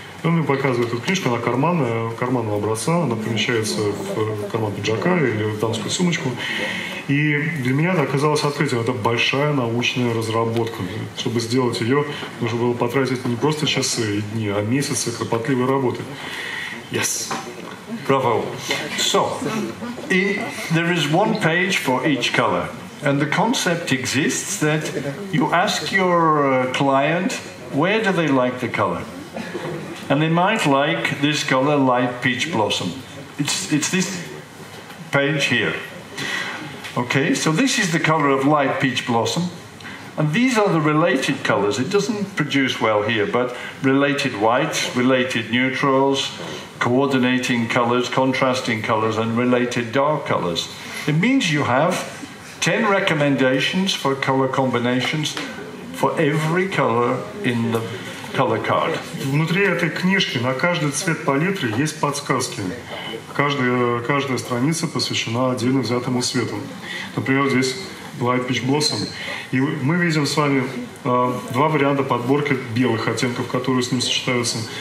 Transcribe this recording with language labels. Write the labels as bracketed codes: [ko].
[ru] Он мне показывает эту книжку, она карманная, карманного образца, она помещается в карман пиджака или в дамскую сумочку. И для меня это оказалось открытием. Это большая научная разработка. Чтобы сделать ее, нужно было потратить не просто часы и дни, а месяцы кропотливой работы. [en] Yes. Bravo. So, there is one page for each color. And the concept exists that you ask your client, where do they like the color? And they might like this color, light peach blossom. It's this page here. Okay, so this is the color of light peach blossom. And these are the related colors. It doesn't produce well here, but related whites, related neutrals, coordinating colors, contrasting colors, and related dark colors. It means you have 10 recommendations for color combinations for every color in the color card. [ru] Внутри этой книжки на каждый цвет палитры есть подсказки. Каждая страница посвящена отдельно взятому цвету. Например, здесь [en] White Peach Blossom. [ru] И мы видим с вами два варианта подборки белых оттенков, которые с ним сочетаются.